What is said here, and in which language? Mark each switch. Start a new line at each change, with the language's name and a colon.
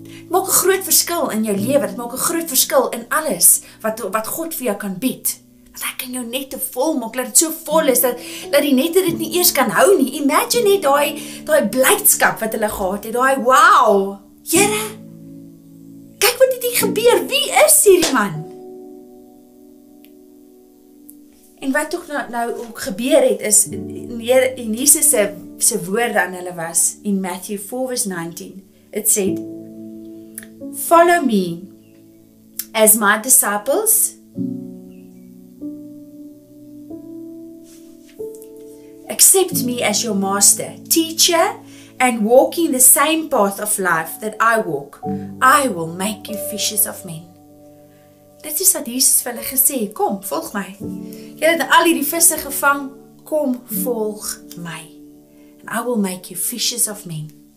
Afrikaans: Het maak een groot verskil in jou leven, het maak een groot verskil in alles wat God vir jou kan bied. Want hy kan jou net te vol maak, dat het so vol is, dat die nette dit nie eers kan hou nie. Imagine net die blydskap wat hulle gehad het, die wow, Here, kyk wat het hier gebeur, wie is hierdie man? En wat toch nou ook gebeur het, is in Jesus se woord aan hulle was, in Matthew 4 vers 19, het sê,
English: follow me as my disciples accept me as your master, teacher, and walking the same path of life that I walk, I will make you fishers of men.
Afrikaans: Dit is wat Jesus vir hulle gesê, kom, volg my. Jy het al hierdie visse gevang, kom, volg my.
English: And I will make you fishers of men.